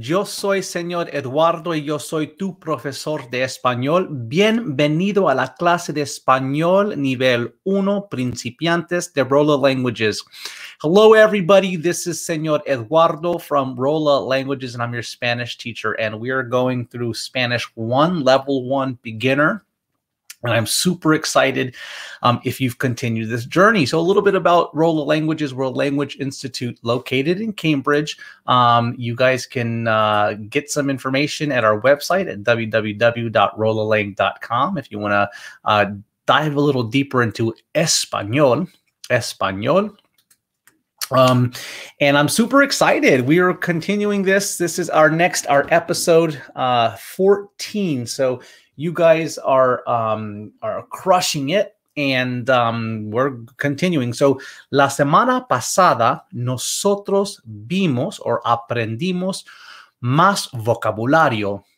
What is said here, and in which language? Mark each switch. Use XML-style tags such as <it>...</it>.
<es>Yo soy señor Eduardo y yo soy tu profesor de español. Bienvenido a la clase de español nivel 1, principiantes de Rola Languages.</es> <en>Hello everybody, this is señor Eduardo from Rola Languages and I'm your Spanish teacher and we are going through Spanish 1, level 1, beginner. And I'm super excited if you've continued this journey. So a little bit about Rola Languages. We're a language institute located in Cambridge. You guys can get some information at our website at www.rolalang.com if you want to dive a little deeper into Español. And I'm super excited. We are continuing this. This is our episode 14. So you guys are crushing it and we're continuing.</en> <es>So la semana pasada nosotros vimos</es> <en>or</en> <es>aprendimos más vocabulario.</es>